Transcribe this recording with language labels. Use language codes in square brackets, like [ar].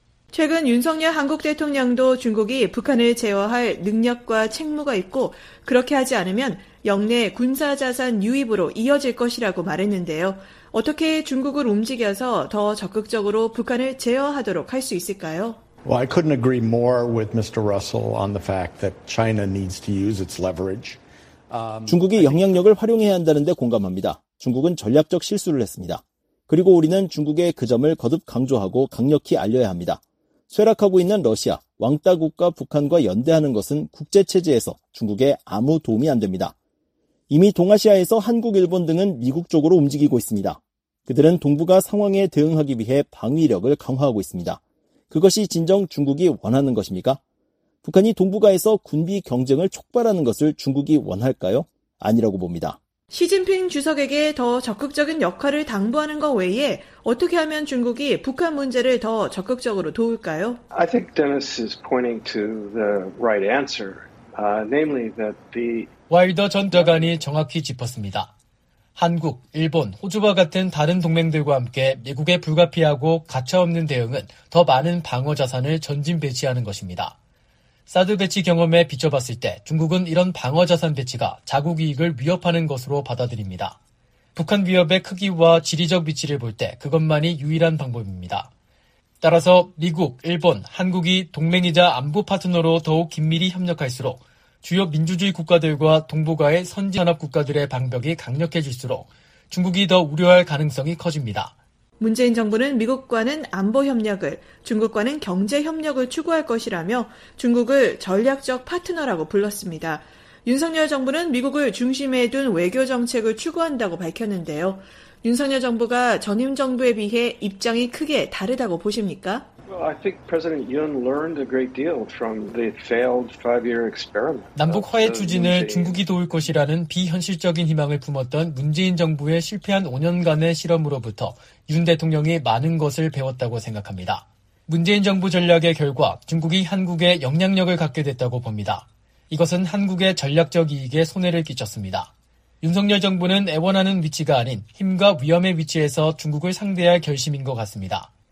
[ko] 최근 윤석열 한국 대통령도 중국이 북한을 제어할 능력과 책무가 있고 그렇게 하지 않으면 역내 군사자산 유입으로 이어질 것이라고 말했는데요. 어떻게 중국을 움직여서 더 적극적으로 북한을 제어하도록 할 수 있을까요? [en] Well, I couldn't agree more with Mr. Russell on the fact that China needs to use its leverage. [ko] 중국이 영향력을 활용해야 한다는 데 공감합니다. 중국은 전략적 실수를 했습니다. 그리고 우리는 중국의 그 점을 거듭 강조하고 강력히 알려야 합니다. 쇠락하고 있는 러시아, 왕따 국가 북한과 연대하는 것은 국제체제에서 중국에 아무 도움이 안 됩니다. 이미 동아시아에서 한국, 일본 등은 미국 쪽으로 움직이고 있습니다. 그들은 동북아 상황에 대응하기 위해 방위력을 강화하고 있습니다. 그것이 진정 중국이 원하는 것입니까? 북한이 동북아에서 군비 경쟁을 촉발하는 것을 중국이 원할까요? 아니라고 봅니다. 시진핑 주석에게 더 적극적인 역할을 당부하는 것 외에 어떻게 하면 중국이 북한 문제를 더 적극적으로 도울까요? [en] I think Dennis is pointing to the right answer, namely that the [ko] 와일더 전 대관이 정확히 짚었습니다. 한국, 일본, 호주와 같은 다른 동맹들과 함께 미국의 불가피하고 가차없는 대응은 더 많은 방어 자산을 전진 배치하는 것입니다. 사드 배치 경험에 비춰봤을 때 중국은 이런 방어 자산 배치가 자국 이익을 위협하는 것으로 받아들입니다. 북한 위협의 크기와 지리적 위치를 볼 때 그것만이 유일한 방법입니다. 따라서 미국, 일본, 한국이 동맹이자 안보 파트너로 더욱 긴밀히 협력할수록 주요 민주주의 국가들과 동북아의 선진산업 국가들의 방벽이 강력해질수록 중국이 더 우려할 가능성이 커집니다. 문재인 정부는 미국과는 안보 협력을, 중국과는 경제 협력을 추구할 것이라며 중국을 전략적 파트너라고 불렀습니다. 윤석열 정부는 미국을 중심에 둔 외교 정책을 추구한다고 밝혔는데요. 윤석열 정부가 전임 정부에 비해 입장이 크게 다르다고 보십니까? [en] I think President Yun learned a great deal from the failed five-year experiment. [ko] 남북 화해 추진을 중국이 도울 것이라는 비현실적인 희망을 품었던 문재인 정부의 실패한 5년간의 실험으로부터 윤 대통령이 많은 것을 배웠다고 생각합니다. 문재인 정부 전략의 결과 중국이 한국에 영향력을 갖게 됐다고 봅니다. 이것은 한국의 전략적 이익에 손해를 끼쳤습니다. 윤석열 정부는 애원하는 위치가 아닌 힘과 위험의 위치에서 중국을 상대할 결심인 것 같습니다.